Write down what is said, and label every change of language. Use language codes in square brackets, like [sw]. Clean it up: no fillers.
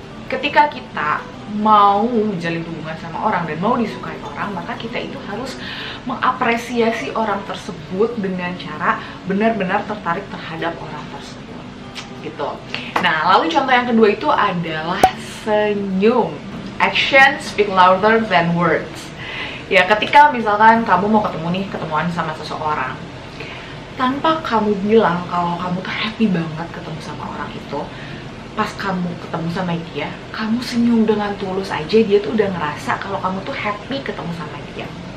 [id] Ketika kita mau menjalin hubungan sama orang dan mau disukai orang, maka kita itu harus mengapresiasi orang tersebut dengan cara benar-benar tertarik terhadap orang tersebut gitu. Nah, lalu contoh yang kedua itu adalah senyum. [en] Actions speak louder than words. [id] Ya, ketika misalkan kamu mau ketemu nih, ketemuan sama seseorang, tanpa kamu bilang kalau kamu tuh happy banget ketemu sama orang itu, pas kamu ketemu sama dia, kamu senyum dengan tulus aja, dia tuh udah ngerasa kalau kamu tuh happy ketemu sama dia.